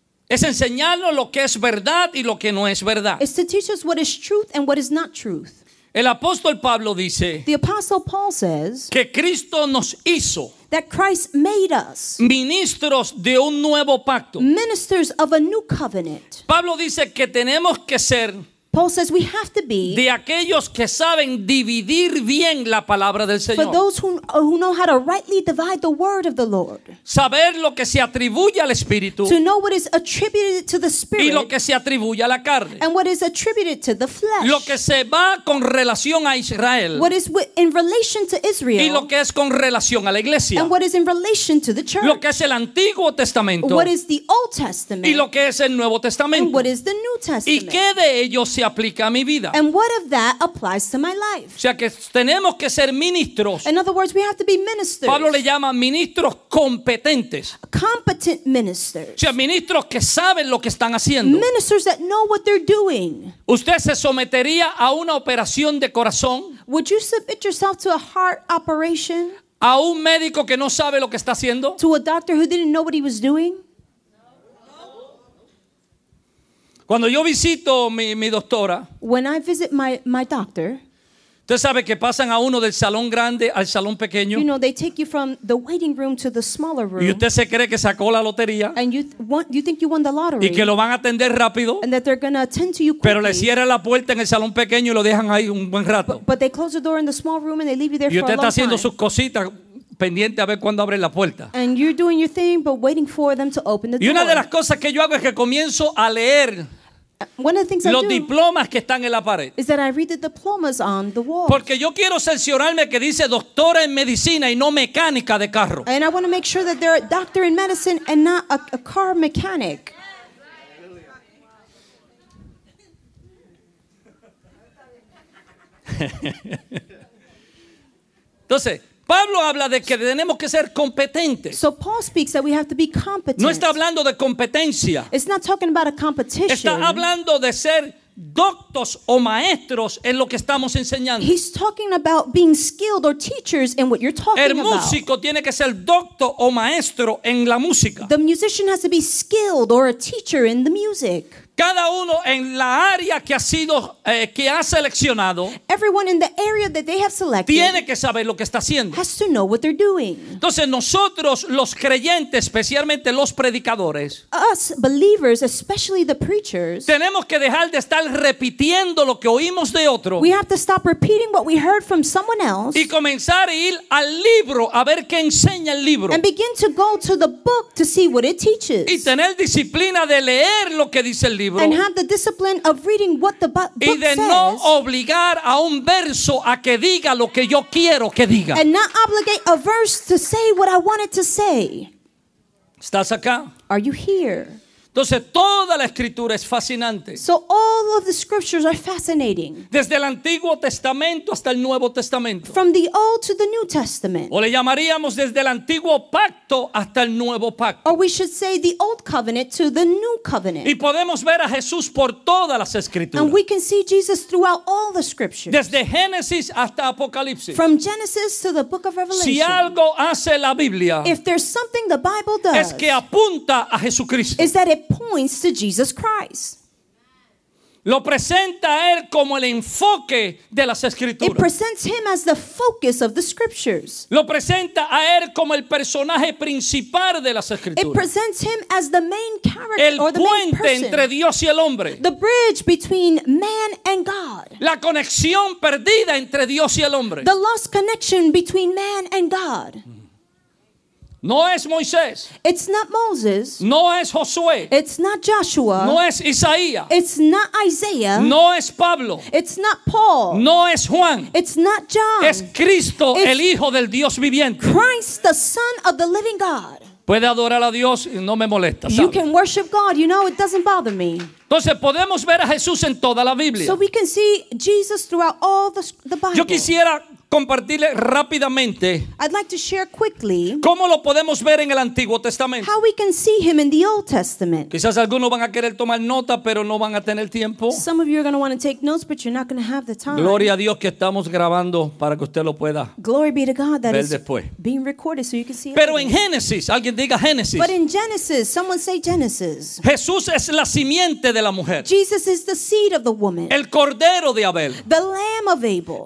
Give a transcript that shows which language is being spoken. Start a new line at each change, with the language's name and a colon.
Spanish: Es enseñarnos lo que es verdad y lo que no es verdad.
English: It's to teach us what is truth and what is not truth.
Spanish: El apóstol Pablo dice,
English: the apostle Paul says,
Spanish: que Cristo nos hizo,
English: that Christ made us,
Spanish: ministros de un nuevo pacto,
English: ministers of a new covenant.
Spanish: Pablo dice que tenemos que ser,
English: Paul says we have to be,
Spanish: de aquellos que saben dividir bien la palabra del Señor,
English: for those who know how to rightly divide the word of the Lord,
Spanish: saber lo que se atribuye al Espíritu,
English: to know what is attributed to the Spirit,
Spanish: y lo que se atribuye a la carne,
English: and what is attributed to the flesh,
Spanish: lo que se va con relación a Israel,
English: what is in relation to Israel,
Spanish: y lo que es con relación a la iglesia,
English: and what is in relation to the church,
Spanish: lo que es el Antiguo Testamento,
English: what is the Old Testament,
Spanish: y lo que es el Nuevo Testamento,
English: and what is the New Testament,
Spanish: y qué de ellos se aplica a mi vida.
English: And what of that applies to my life?
Spanish: O sea, que tenemos que ser ministros.
English: In other words, we have to be ministers.
Spanish: Pablo le llama ministros competentes.
English: Competent ministers.
Spanish: O sea, ministros que saben lo que están haciendo.
English: Ministers that know what they're doing.
Spanish: ¿Usted se sometería a una operación de corazón?
English: Would you submit yourself to a heart operation?
Spanish: ¿A un médico que no sabe lo que está haciendo?
English: To a doctor who didn't know what he was doing?
Spanish: Cuando yo visito mi doctora,
English: when I visit my doctor,
Spanish: usted sabe que pasan a uno del salón grande al salón pequeño,
English: you know, they take you from the waiting room to the smaller room,
Spanish: y usted se cree que sacó la lotería,
English: and you think you won the lottery,
Spanish: y que lo van a atender rápido,
English: and that they're going to attend to you quickly,
Spanish: pero le cierran la puerta en el salón pequeño y lo dejan ahí un buen rato,
English: but they close the door in the small room and they leave you there for a long time,
Spanish: y usted está haciendo sus cositas pendiente a ver cuándo abre la puerta.
English: And you're doing your thing but waiting for them to open the door.
Spanish: Y una de las cosas que yo hago es que comienzo a leer
English: one of the things
Spanish: los
English: I do
Spanish: diplomas que están en la pared.
English: Is that I read the diplomas on the wall.
Spanish: Porque yo quiero cerciorarme que dice doctora en medicina y no mecánica de carro.
English: And I want to make sure that they're a doctor in medicine and not a car mechanic.
Spanish: Entonces, Pablo habla de que tenemos que ser competentes.
English: So Paul speaks that we have to be competent.
Spanish: No está hablando de competencia.
English: It's not talking about a competition.
Spanish: Está hablando de ser doctos o maestros en lo que estamos enseñando.
English: He's talking about being skilled or teachers in what you're talking about.
Spanish: El músico tiene que ser docto o maestro en la música.
English: The musician has to be skilled or a teacher in the music.
Spanish: Cada uno en la área que ha sido que ha seleccionado,
English: everyone in the area that they have selected,
Spanish: tiene que saber lo que está haciendo,
English: has to know what they're doing.
Spanish: Entonces nosotros los creyentes, especialmente los predicadores,
English: us believers, especially the preachers,
Spanish: tenemos que dejar de estar repitiendo lo que oímos de otro,
English: we have to stop repeating what we heard from someone else,
Spanish: y comenzar a ir al libro a ver qué enseña el libro,
English: and begin to go to the book to see what it teaches,
Spanish: y tener disciplina de leer lo que dice el libro,
English: and have the discipline of reading what the book says,
Spanish: y de no obligar a un verso a que diga lo que yo quiero que diga,
English: and not obligate a verse to say what I want it to say.
Spanish: ¿Estás acá?
English: Are you here?
Spanish: Entonces toda la escritura es fascinante.
English: So all of the scriptures are fascinating.
Spanish: Desde el Antiguo Testamento hasta el Nuevo Testamento.
English: From the Old to the New Testament.
Spanish: O le llamaríamos desde el Antiguo Pacto hasta el Nuevo Pacto.
English: Or we should say the Old Covenant to the New Covenant.
Spanish: Y podemos ver a Jesús por todas las escrituras.
English: And we can see Jesus throughout all the scriptures.
Spanish: Desde Génesis hasta Apocalipsis.
English: From Genesis to the Book of Revelation.
Spanish: Si algo hace la Biblia,
English: if there's something the Bible does,
Spanish: es que apunta a Jesucristo.
English: Is that it points to Jesus Christ.
Spanish: Lo presenta a él como el enfoque de las escrituras.
English: It presents him as the focus of the scriptures.
Spanish: Lo presenta a él como el personaje principal de las escrituras.
English: It presents him as the main character or the main person.
Spanish: El puente entre Dios y el hombre.
English: The bridge between man and God.
Spanish: La conexión perdida entre Dios y el hombre.
English: The lost connection between man and God.
Spanish: No es Moisés.
English: It's not Moses.
Spanish: No es Josué.
English: It's not Joshua.
Spanish: No es Isaías.
English: It's not Isaiah.
Spanish: No es Pablo.
English: It's not Paul.
Spanish: No es Juan.
English: It's not John.
Spanish: Es Cristo,
English: it's
Spanish: el Hijo del Dios viviente.
English: Christ, the Son of the living God.
Spanish: Puede adorar a Dios y no me molesta.
English: You can worship God. You know, it doesn't bother me.
Spanish: Entonces podemos ver a Jesús en toda la Biblia.
English: So we can see Jesus throughout all the Bible.
Spanish: Yo quisiera compartirle rápidamente.
English: I'd like to share quickly.
Spanish: ¿Cómo lo podemos ver en el Antiguo Testamento?
English: How we can see him in the Old Testament.
Spanish: Quizás algunos van a querer tomar nota, pero no van a tener tiempo.
English: Some of you are going to want to take notes, but you're not going to have the time.
Spanish: Gloria a Dios que estamos grabando para que usted lo pueda.
English: Glory be to God that
Spanish: ver después.
English: Being recorded so you can see.
Spanish: Pero en Génesis, alguien diga Génesis.
English: But in Genesis, someone say Genesis.
Spanish: Jesús es la simiente de la mujer.
English: Jesus is the seed of the woman.
Spanish: El cordero de Abel.
English: The lamb of Abel.